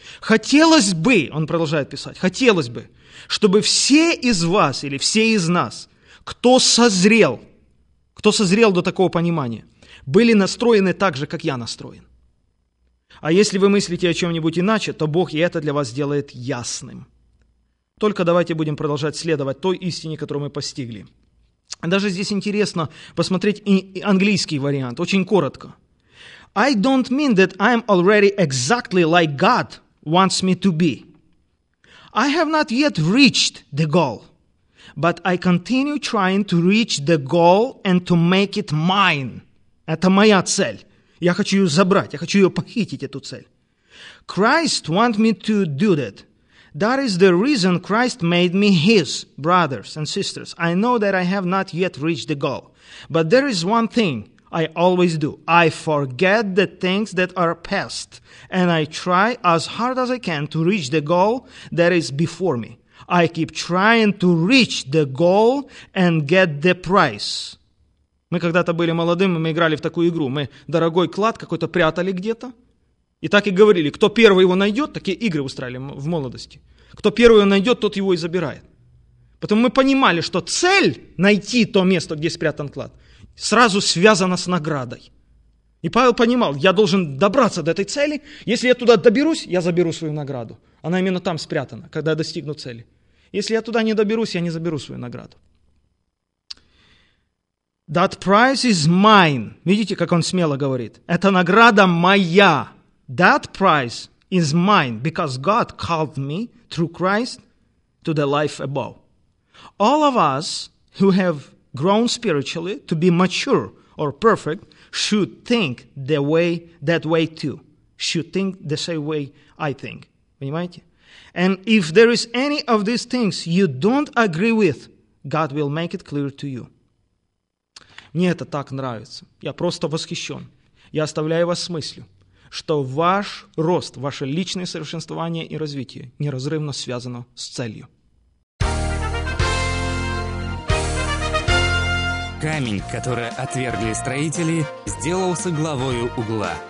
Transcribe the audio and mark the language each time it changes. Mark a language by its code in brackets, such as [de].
[ru] Хотелось бы, он продолжает писать, хотелось бы, чтобы все из вас или все из нас, кто созрел до такого понимания, были настроены так же, как я настроен. А если вы мыслите о чем-нибудь иначе, то Бог и это для вас сделает ясным. Только давайте будем продолжать следовать той истине, которую мы постигли. Даже здесь интересно посмотреть и английский вариант, очень коротко. [en] I don't mean that I am already exactly like God wants me to be. I have not yet reached the goal, but I continue trying to reach the goal and to make it mine. [ru] Это моя цель. Я хочу ее забрать, я хочу ее похитить, эту цель. [en] Christ wants me to do that. That is the reason Christ made me his, brothers and sisters. I know that I have not yet reached the goal, but there is one thing. I always do. I forget the things that are past, and I try as hard as I can to reach the goal that is before me. I keep trying to reach the goal and get the prize. [ru] Мы когда-то были молодыми, мы играли в такую игру. Мы дорогой клад какой-то прятали где-то. И так и говорили, кто первый его найдет, такие игры устраивали в молодости. Кто первый его найдет, тот его и забирает. Потому мы понимали, что цель найти то место, где спрятан клад, сразу связано с наградой. И Павел понимал, я должен добраться до этой цели. Если я туда доберусь, я заберу свою награду. Она именно там спрятана, когда я достигну цели. Если я туда не доберусь, я не заберу свою награду. [en] That prize is mine. [ru] Видите, как он смело говорит? Эта награда моя. [en] That prize is mine, because God called me through Christ to the life above. All of us who have grown spiritually to be mature or perfect should think that way too. Should think the same way I think. [ru] Понимаете? [en] And if there is any of these things you don't agree with, God will make it clear to you. [ru] Мне это так нравится. Я просто восхищен. Я оставляю вас с мыслью, что ваш рост, ваше личное совершенствование и развитие неразрывно связано с целью. Камень, который отвергли строители, сделался главою угла.